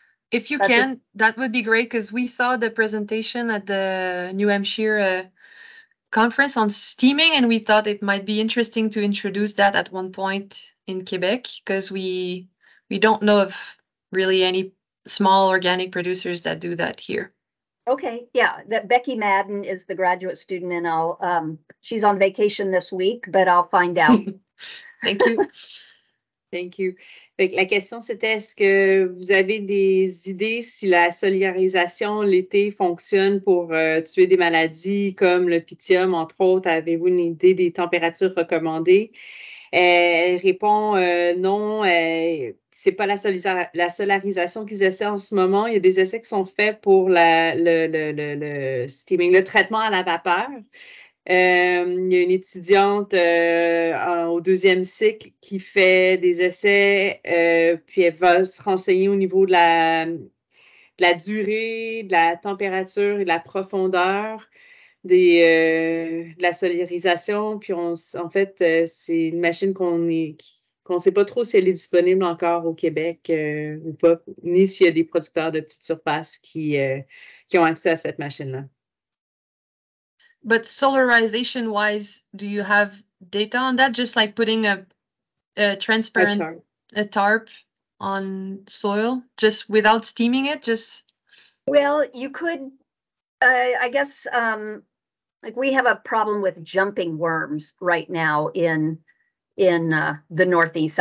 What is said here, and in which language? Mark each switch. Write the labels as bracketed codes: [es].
[en] If you can, that would be great, because we saw the presentation at the New Hampshire conference on steaming, and we thought it might be interesting to introduce that at one point in Quebec, because we don't know of really any small organic producers that do that here. Okay, yeah, that Becky Madden is the graduate student, and I'll she's on vacation this week, but I'll find out. Thank you. Thank you. [fr] La question, c'était, est-ce que vous avez des idées si la solarisation l'été fonctionne pour tuer des maladies comme le Pythium, entre autres? Avez-vous une idée des températures recommandées? Elle répond non, c'est pas la solarisation qu'ils essaient en ce moment. Il y a des essais qui sont faits pour le steaming, le traitement à la vapeur. Il y a une étudiante au deuxième cycle qui fait des essais, puis elle va se renseigner au niveau de la durée, de la température et de la profondeur de la solarisation. Puis c'est une machine qu'on ne sait pas trop si elle est disponible encore au Québec ou pas, ni s'il y a des producteurs de petites surfaces qui ont accès à cette machine-là. [en] But solarization wise, do you have data on that? Just like putting a transparent tarp on soil, just without steaming it? Just well, you could. I guess like we have a problem with jumping worms right now in the Northeast.